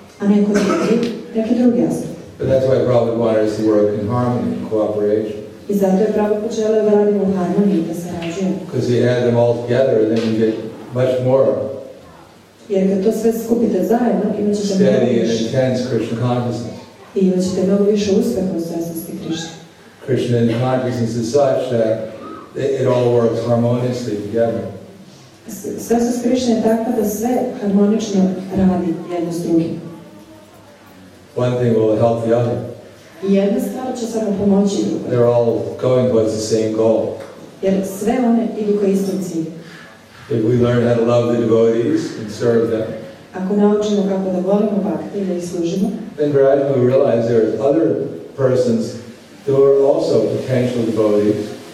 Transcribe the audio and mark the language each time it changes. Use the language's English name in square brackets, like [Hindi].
[Serbian] A neko neki drugi aspekt. [English] But that's why Prabhupada wanted us to work in harmony and cooperation. [Serbian] I zato je Prabhupada želeo da radimo u harmoniji i da sarađujemo. [English] Because you add them all together, then you get much more. [Serbian] Jer kad to sve skupite zajedno, imat ćete mnogo više. [English] Steady and intense Krishna consciousness. [Serbian] I imat ćete mnogo više uspeha u svesnosti Krishna. [English] Krishna and consciousness is such that it all works harmoniously together. [Serbian] Svesnost Krishna je takva da sve harmonično radi jedno s drugim. [English] One thing will help the other. [Serbian] Jedna stvar će samo pomoći drugoj. [English] They're all going towards the same goal. [Serbian] Jer sve one idu ka istom cilju. [English] If we learn how to love the devotees and serve them, [Serbian] ako naučimo kako da volimo bhakti i da ih služimo, [English] then gradually we realize there are other persons who are also potential devotees.